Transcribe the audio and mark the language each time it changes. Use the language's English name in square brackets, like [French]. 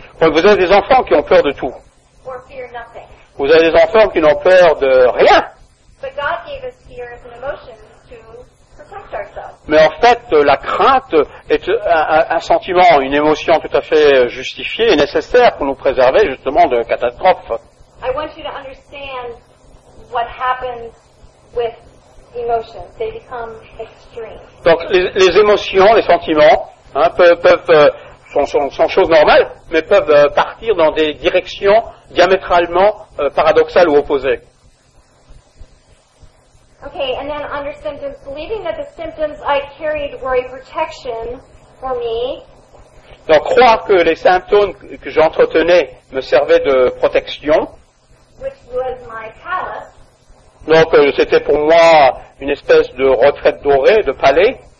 [French] donc vous avez des enfants qui ont peur de tout. [English] Or fear nothing. [French] Vous avez des enfants qui n'ont peur de rien. [English] But God gave us fear as an emotion to protect ourselves. [French] Mais en fait, la crainte est un sentiment, une émotion tout à fait justifiée et nécessaire pour nous préserver justement de catastrophes. [English] I want you to understand what happens with emotions. They become extreme. [French] Donc les émotions, les sentiments, hein, sont choses normales, mais peuvent partir dans des directions diamétralement paradoxales ou opposées. [English] Okay, and then under symptoms, believing that the symptoms I carried were a protection for me. [French] Donc croire que les symptômes que j'entretenais me servaient de protection. [English] Which was my palace. [French] Donc c'était pour moi une espèce de retraite dorée, de palais.